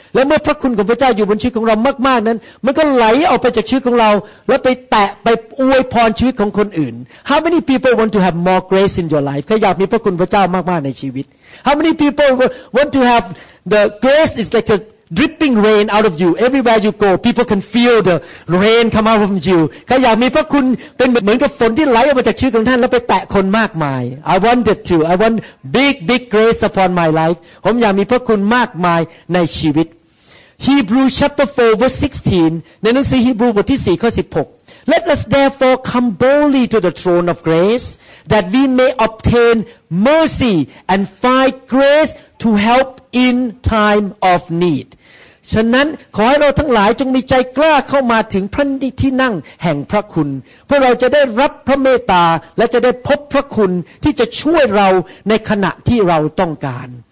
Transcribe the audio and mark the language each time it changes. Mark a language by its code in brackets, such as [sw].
[th] และเมื่อพระคุณของพระเจ้าอยู่บนชีวิตของเรามากๆนั้นมันก็ไหลออกไปจากชีวิตของเราแล้วไปแตะไปอวยพรชีวิตของคนอื่น [en] How many people want to have more grace in your life? [th] ใครอยากมีพระคุณพระเจ้ามากๆในชีวิต [en] How many people want to have the grace is like a dripping rain out of you everywhere you go? People can feel the rain come out from you. [th] ใครอยากมีพระคุณเป็นเหมือนกับฝนที่ไหลออกมาจากชีวิตของท่านแล้วไปแตะคนมากมาย [en] I want it too. I want big grace upon my life. [th] ผมอยากมีพระคุณมากมายในชีวิต [en] Hebrews chapter 4 verse 16 [th] ในหนังสือฮีบรูบทที่4ข้อ16 [en] Let us therefore come boldly to the throne of grace that we may obtain mercy and find grace to help in time of need [th] ฉะนั้นขอให้เราทั้งหลายจงมีใจกล้าเข้ามาถึงพระที่นั่งแห่งพระคุณเพื่อเราจะได้รับพระเมตตาและจะได้พบพระคุณที่จะช่วยเราในขณะที่เราต้องการ